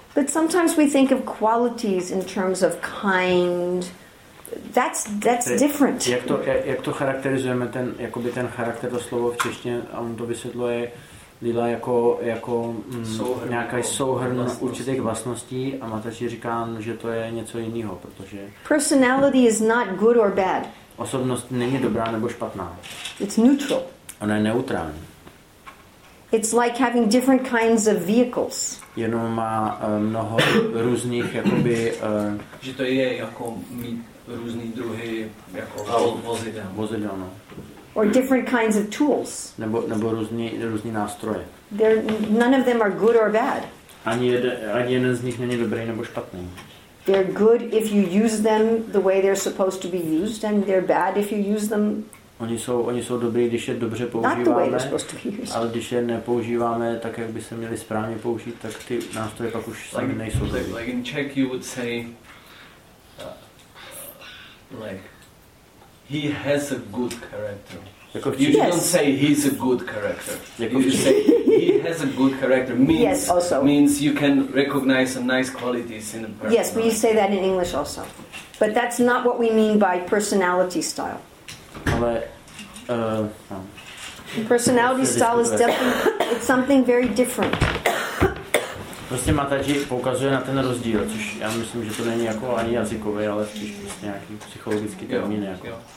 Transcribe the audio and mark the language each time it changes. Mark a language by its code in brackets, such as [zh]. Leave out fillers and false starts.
[en] But sometimes we think of qualities in terms of kind. That's different. [cs] Jak to charakterizujeme ten jakoby ten charakter to slovo v češtině, a on to vysvětluje Lila jako nějaká souhrn určitých vlastností a Mataji říká, že to je něco jiného, protože. [en] Personality is not good or bad. [cs] Osobnost není dobrá nebo špatná. [en] It's neutral. [cs] Ona je neutrální. [en] It's like having different kinds of vehicles. [cs] Jenom má mnoho různých jakoby že to je jako mít různý druhy jako vozidel. No. [en] Or different kinds of tools. [cs] Nebo různý nástroje. [en] There none of them are good or bad. [cs] Ani jeden z nich není dobrý nebo špatný. [en] They're good if you use them the way they're supposed to be used and they're bad if you use them. [cs] Oni jsou dobrý, když je dobře používáme, ale když je nepoužíváme tak, jak by se měli správně použít, tak ty nástroje pak už sami [en] like, [cs] nejsou dobrý. [en] Like in Czech you would say, he has a good character. [cs] Jako [en] you don't say he's a good character. [cs] Jako [en] you say he has a good character means you can recognize some nice qualities in a person. Yes, but you say that in English also. But that's not what we mean by personality style. [cs] Ale, [en] personality style is definitely it's something very different. [cs] Prostě Mataji poukazuje na ten rozdíl, což já myslím, že to není jako ani jazykový, ale spíš prostě nějaký psychologický termín jako.